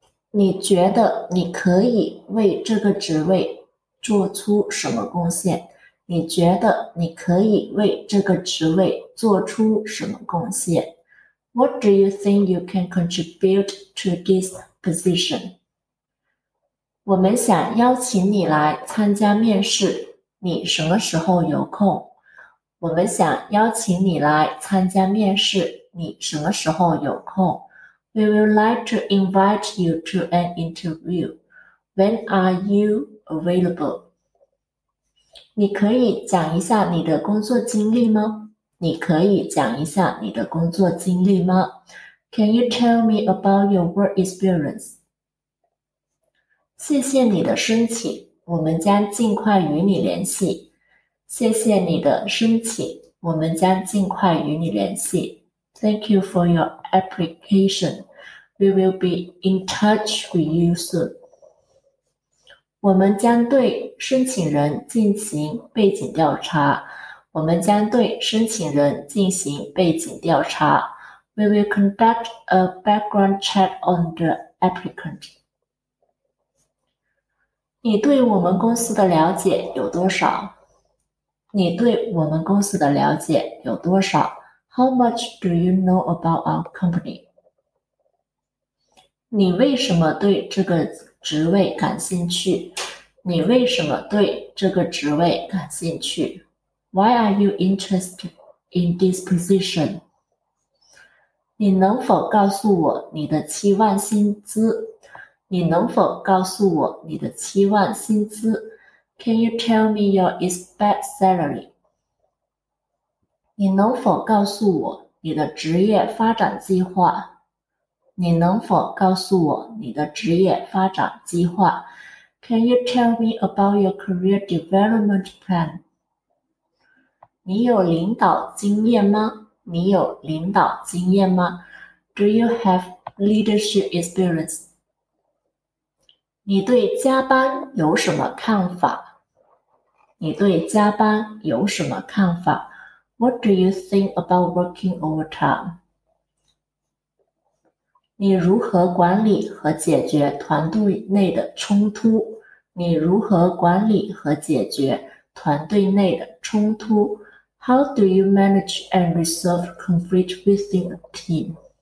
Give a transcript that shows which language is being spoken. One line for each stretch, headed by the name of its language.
Chinese: 你觉得你可以为这个职位做出什么贡献？你觉得你可以为这个职位做出什么贡献？
English: What do you think you can contribute to this position?
Chinese: 我们想邀请你来参加面试，你什么时候有空？我们想邀请你来参加面试，你什么时候有空？
English: We would like to invite you to an interview. When are you available?
Chinese: 你可以讲一下你的工作经历吗？你可以讲一下你的工作经历吗？
English: Can you tell me about your work experience?
Chinese: 谢谢你的申请，我们将尽快与你联系。谢谢你的申请，我们将尽快与你联系。
English: Thank you for your application. We will be in touch with you soon.
Chinese: 我们将对申请人进行背景调查。我们将对申请人进行背景调查。
English: We will conduct a background check on the applicant.
Chinese: 你对我们公司的了解有多少？你对我们公司的了解有多少？
English: How much do you know about our company?
Chinese: 你为什么对这个职位感兴趣？你为什么对这个职位感兴趣？
English: Why are you interested in this position?
Chinese: 你能否告诉我你的期望薪资？你能否告诉我你的期望薪资？
English: Can you tell me your expected salary?
Chinese: 你能否告诉我你的职业发展计划？你能否告诉我你的职业发展计划？
English: Can you tell me about your career development plan?
Chinese: 你有领导经验吗？你有领导经验吗？
English: Do you have leadership experience?
Chinese: 你对加班有什么看法？你对加班有什么看法？
English: What do you think about working overtime?
Chinese: 你如何管理和解决团队内的冲突？你如何管理和解决团队内的冲突？
English: How do you manage and resolve conflict within a team?